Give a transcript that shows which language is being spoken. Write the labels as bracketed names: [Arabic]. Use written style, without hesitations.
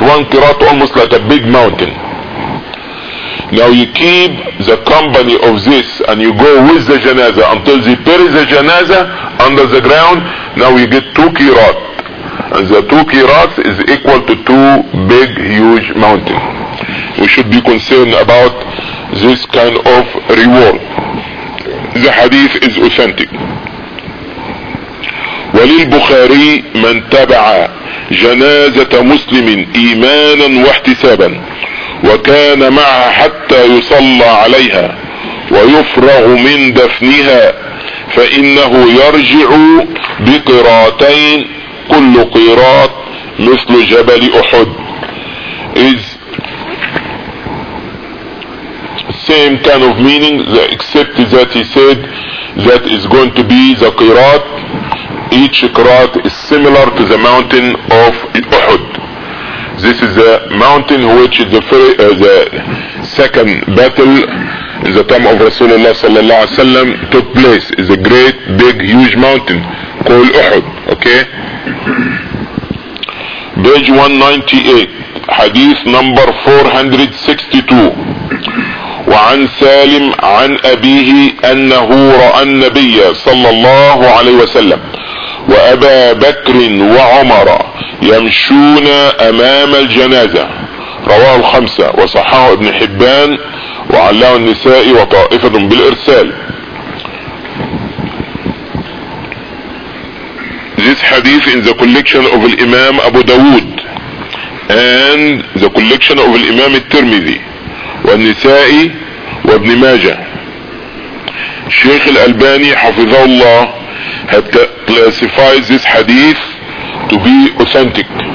[English] 1 qirat almost like a big mountain. Now you keep the company of this and you go with the janazah until they bury the janazah under the ground, now you get 2 qirat. And the 2 qirat is equal to 2 big huge mountains. We should be concerned about this kind of reward. The hadith is authentic. [Arabic] وللبخاري من تبع جنازة مسلم إيمانا واحتسابا وكان معها حتى يصلى عليها ويفرغ من دفنها فإنه يرجع بقراتين كل قرات مثل جبل أحد. [English] Is same kind of meaning, except that he said that is going to be the qirat. Each qirat is similar to the mountain of Uhud. This is the mountain which is the second battle in the time of Rasulullah sallallahu alaihi wasallam took place. It's a great, big, huge mountain called Uhud. Okay. Page 198, hadith number 462. [Arabic] وعن سالم عن أبيه أنه رأى النبي صلى الله عليه وسلم وأبا بكر وعمر يمشون أمام الجنازة. رواه الخمسة وصححه ابن حبان وعلاه النسائي وطائفة بالإرسال. [English] This hadith in the collection of Imam Abu Dawood and the collection of Imam al-Tirmidhi والنسائي وابن ماجه. [Arabic] الشيخ الألباني حفظه الله [English] had classified this hadith to be authentic.